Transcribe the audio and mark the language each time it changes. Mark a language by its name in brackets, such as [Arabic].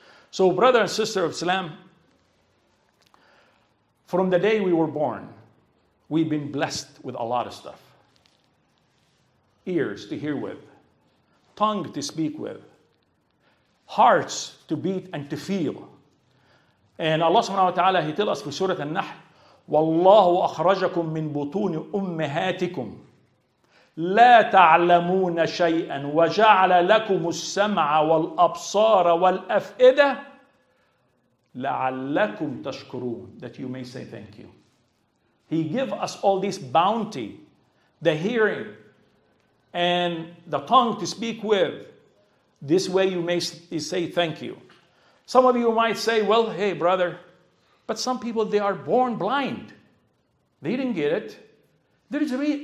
[English] So brother and sister of Islam, from the day we were born, we've been blessed with a lot of stuff. Ears to hear with, tongue to speak with, hearts to beat and to feel. And Allah subhanahu wa ta'ala, he tells us in Surah An-Nahl, [Arabic] وَاللَّهُ أَخْرَجَكُمْ مِنْ بُطُونِ أُمَّهَاتِكُمْ لَا تَعْلَمُونَ شَيْئًا وَجَعْلَ لَكُمُ السَّمْعَ وَالْأَبْصَارَ وَالْأَفْئِدَةَ لَعَلَّكُمْ تَشْكُرُونَ. [English] That you may say thank you. He gives us all this bounty, the hearing, and the tongue to speak with. This way you may say thank you. Some of you might say, well, hey, brother, but some people, they are born blind. They didn't get it. There is a reason.